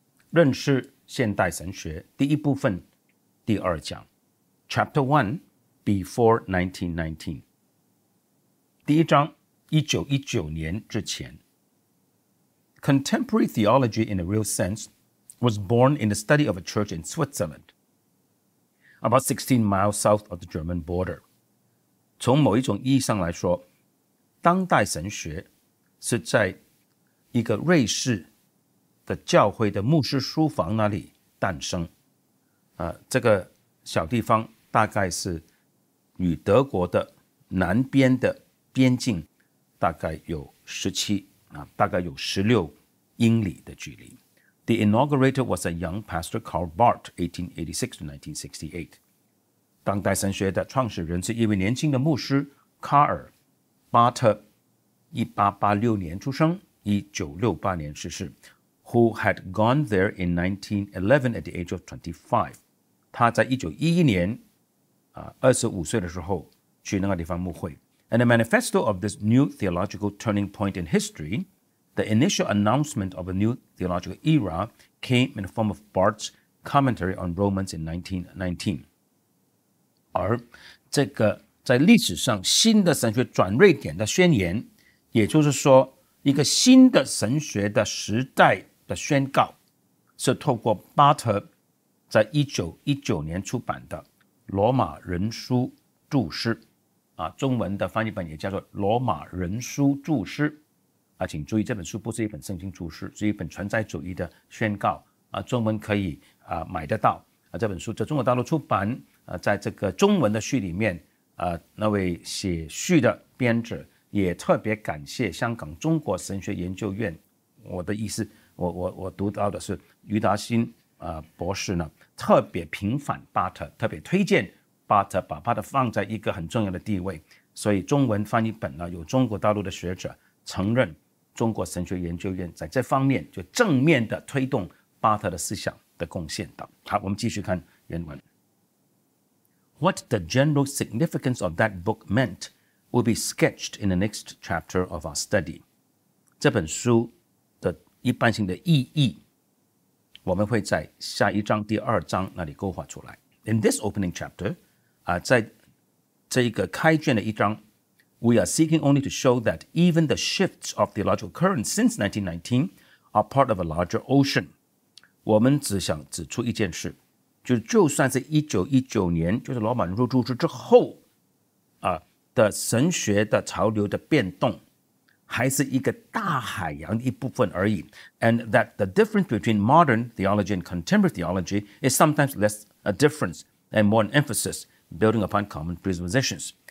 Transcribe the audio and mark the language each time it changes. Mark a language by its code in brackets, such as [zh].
[zh] 认识现代神学第一部分第二讲 [en] Chapter 1, Before 1919. [zh] 第一章1919年之前 [en] Contemporary theology in a real sense was born in the study of a church in Switzerland, about 16 miles south of the German border. [zh] 从某一种意义上来说当代神学是在一个瑞士的教会的牧师书房那里诞生。这个小地方大概是与德国的南边的边境大概有16英里的距离。 [en] The inaugurator was a young pastor called Barth, 1886-1968. [zh] 当代神学的创始人是一位年轻的牧师卡尔巴特1886年出生1968年逝世 [en] who had gone there in 1911 at the age of 25. [zh] 他在1911年25岁的时候去那个地方牧会 [en] And a manifesto of this new theological turning point in history, the initial announcement of a new theological era came in the form of Barth's commentary on Romans in 1919. [zh] 而这个在历史上新的神学转捩点的宣言也就是说一个新的神学的时代的宣告是透过巴特在1919年出版的罗马人书注释中文的翻译本也叫做罗马人书注释请注意这本书不是一本圣经注释是一本存在主义的宣告中文可以买得到这本书在中国大陆出版在这个中文的序里面那位写序的编者也特别感谢香港中国神学研究院我的意思 我读到的是余达新博士呢特别平反巴特特别推荐巴特把巴特放在一个很重要的地位所以中文翻译本呢有中国大陆的学者承认中国神学研究院在这方面就正面的推动巴特的思想的贡献的好我们继续看原文 [en] What the general significance of that book meant will be sketched in the next chapter of our study. [zh] 这本书的一般性的意义我们会在下一章第二章那里勾画出来。 [en] In this opening chapter, [zh] 在这一个开卷的一章 [en] we are seeking only to show that even the shifts of theological currents since 1919 are part of a larger ocean. [zh] 我们只想指出一件事就算是1919年就是罗马人入住之后的神学的潮流的变动还是一个大海洋的一部分而已 [en] And that the difference between modern theology and contemporary theology is sometimes less a difference and more an emphasis building upon common presuppositions